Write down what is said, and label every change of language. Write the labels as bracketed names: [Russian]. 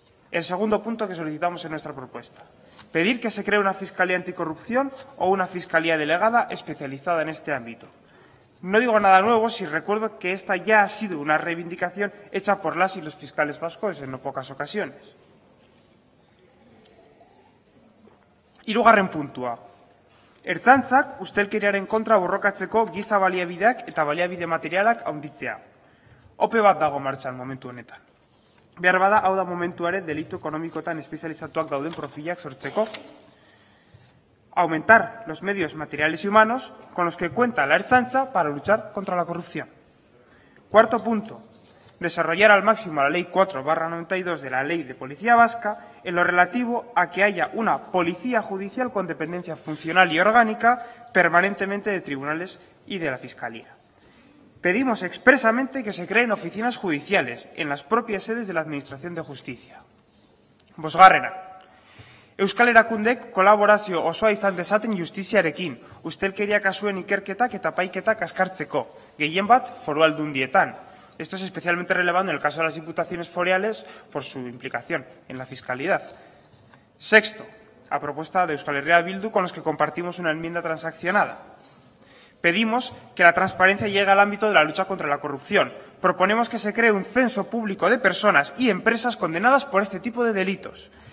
[Spanish] El segundo punto que solicitamos en nuestra propuesta. Pedir que se cree una Fiscalía Anticorrupción o una Fiscalía Delegada especializada en este ámbito. No digo nada nuevo si recuerdo que esta ya ha sido una reivindicación hecha por las y los fiscales vascos en no pocas ocasiones. [Basque] Hirugarren puntua. Ertzantzak ustelkeriaren kontra borrokatzeko giza baliabideak eta baliabide materialak haunditzea. Ope bat dago martxan momentu honetan. Behar bada, hau da momentuare delitu ekonomikoetan espezializatuak dauden profilak sortzeko. [Spanish] Aumentar los medios materiales y humanos con los que cuenta la Ertzaintza para luchar contra la corrupción. Cuarto punto, desarrollar al máximo la ley 4/92 de la Ley de Policía Vasca en lo relativo a que haya una policía judicial con dependencia funcional y orgánica permanentemente de tribunales y de la Fiscalía. Pedimos expresamente que se creen oficinas judiciales en las propias sedes de la Administración de Justicia. [Basque] Bosgarrena. Euskal Erakundek kolaborazio osoa izan dezaten justiziarekin, ustelkeria kasuen ikerketak eta epaiketak azkartzeko, gehien bat foru aldundietan. [Spanish] Esto es especialmente relevante en el caso de las diputaciones foreales por su implicación en la fiscalidad. Sexto, a propuesta de Euskal Herria Bildu, con los que compartimos una enmienda transaccionada. Pedimos que la transparencia llegue al ámbito de la lucha contra la corrupción. Proponemos que se cree un censo público de personas y empresas condenadas por este tipo de delitos.